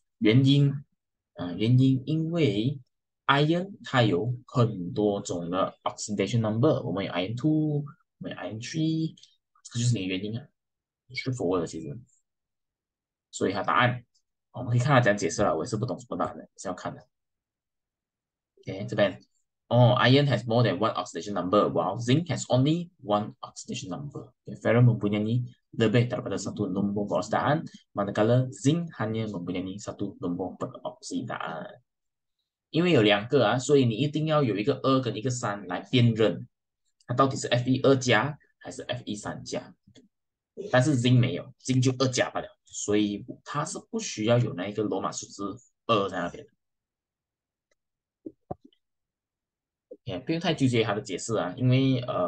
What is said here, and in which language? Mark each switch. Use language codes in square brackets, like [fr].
[zh] 原因，原因因为。Iron 它有很多种的 oxidation number，我们有 Iron two，我们有 Iron three，这就是你的原因啊，是否的其实，所以它答案我们可以看它怎样解释了，我也是不懂什么答案的，是要看的。 [en] OK， [zh] 这边哦， [en] Iron has more than one oxidation number，while zinc has only one oxidation number。 [ms] Ferro mempunyai lebih daripada satu nombor peroksidaan, manakala zinc hanya mempunyai satu nombor peroksidaan。 [zh] 因为有两个啊，所以你一定要有一个二跟一个三来辨认，它到底是 Fe 二加还是 Fe 三加。但是 zinc 没有，zinc 就二加罢了，所以它是不需要有那一个罗马数字二在那边也、okay, 不用太纠结它的解释啊，因为